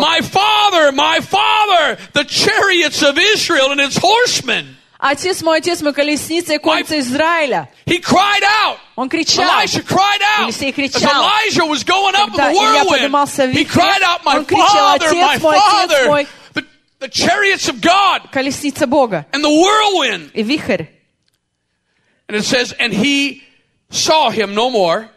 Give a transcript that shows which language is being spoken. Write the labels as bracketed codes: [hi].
[en] My father, the chariots of Israel and its horsemen. [ru] Отец мой, колесница и конница Израиля. [en] He cried out. [ru] Он кричал. [en] Elijah cried out. [ru] Елисей кричал. [en] As Elijah was going up in the whirlwind, he cried out, my [ru] кричал, [en] father, [ru] мой, [en] my father, the chariots of God. [ru] Колесница Бога. [en] And the whirlwind. [ru] И вихрь. [en] And it says, and he saw him no more.